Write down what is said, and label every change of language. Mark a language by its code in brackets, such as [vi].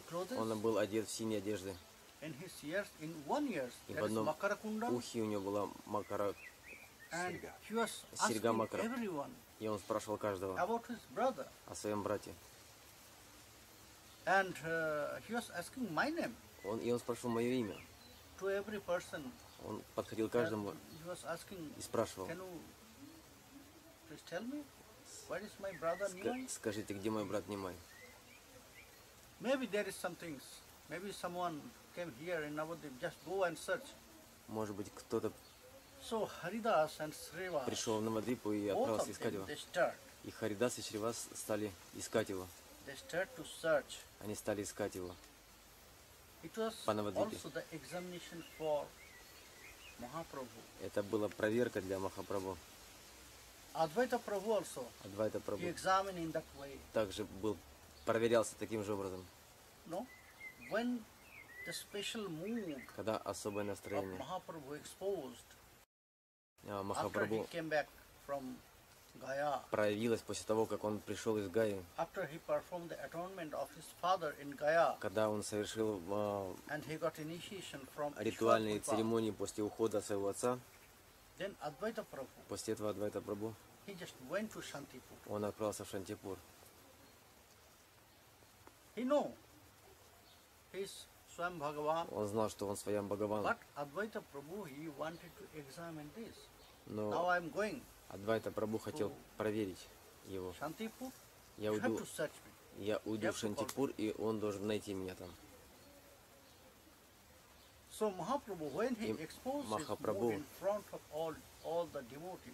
[ru] Он был одет в синие одежды. И в одном ухе у него была макара, серьга макара. И он спрашивал каждого о своем брате. [en] And he was asking my name. [ru] Он и он спрашивал мое имя. [en] To every person. [ru] Он подходил каждому. [en] He was asking. [ru] И спрашивал. [en] Can you please tell me what is my brother Nimai? [ru] Скажите, где мой брат Нимай? [en] Maybe there is some things. Maybe someone came here in Navadvip. Just go and search. [ru] Может быть, кто-то. [en] So Haridas and Shrivas. [ru] Пришел в Навадвипу и отправился искать его. И Харидас и Шривас стали искать его. [en] They start to search. [ru] Они стали искать его. [en] It was [ru] по Навадвипе. [en] Also the examination for Mahaprabhu. [ru] Это была проверка для Махапрабху. [en] Advaita Prabhu also. Advaita Prabhu. He examined in that way. [ru] Также был проверялся таким же образом. [en] No, when the special mood. [ru] Когда особое настроение. [en] Mahaprabhu exposed. [ru] Махапрабху. [en] After he came back from Gaya. [ru] Проявилось после того, как он пришел из Гаи. [en] After he performed the atonement of his father in Gaya. [ru] Когда он совершил [en] and he got initiation from [ru] ритуальные церемонии после ухода своего отца. [en] Then Advaita Prabhu. [ru] После этого Advaita Prabhu. [en] He just went to Shantipur. [ru] Он отправился в Шантипур. [en] He knew his Swayam Bhagavan. [ru] Он знал, что он Swayam Bhagavan. [en] But Advaita Prabhu he wanted to examine this. [ru] Но [en] now I'm going. [ru] Адвайта Прабху хотел проверить его. Шантипур? Я уйду в Шантипур, и он должен найти меня там. [en] So, Mahaprabhu, when he exposed [ru] Махапрабху, [en] his mood in front of all the devotees,